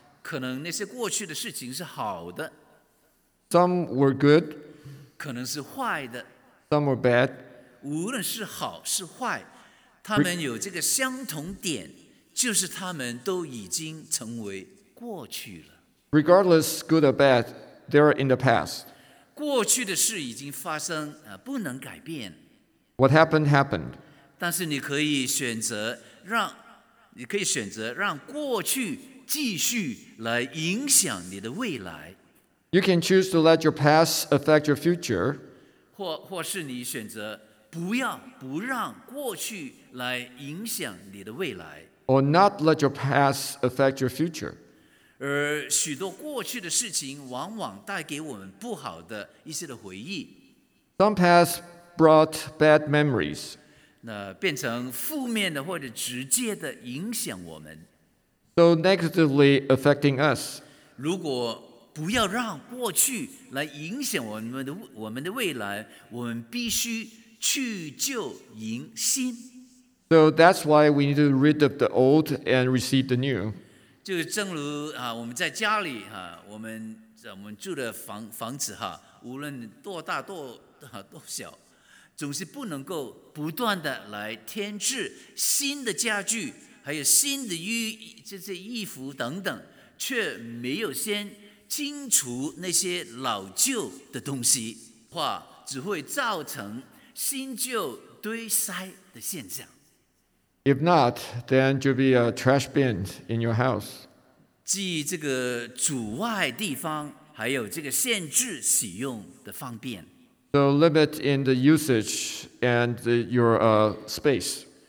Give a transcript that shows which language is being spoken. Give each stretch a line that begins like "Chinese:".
Chinese: 可能那些过去的事情是好的。
English: Some were good.
Chinese: 可能是坏的。
English: Some were bad.
Chinese: 无论是好是坏，他们有这个相同点，就是他们都已经成为过去了。
English: Regardless, good or bad, they are in the past.
Chinese: 过去的事已经发生，不能改变。
English: What happened, happened.
Chinese: 但是你可以选择让过去继续来影响你的未来。
English: You can choose to let your past affect your future.
Chinese: 或是你选择不让过去来影响你的未来。
English: Or not let your past affect your future.
Chinese: 而许多过去的事情往往带给我们不好的一些的回忆。
English: Some past brought bad memories.
Chinese: 那变成负面的或者直接的影响我们。
English: So negatively affecting us.
Chinese: 如果不要让过去来影响我们的未来，我们必须去旧迎新。
English: So that's why we need to rid of the old and receive the new.
Chinese: 就正如我们在家里我们住的房子无论多大多小，总是不能够不断的来添置新的家具，还有新的衣服等等，却没有先清除那些老旧的东西，话只会造成新旧堆塞，的现象。
English: If not, then you'll be a trash bin in your house.
Chinese: 即这个主外地方，还有这个限制使用的方便。
English: The limit in the usage and the, your space.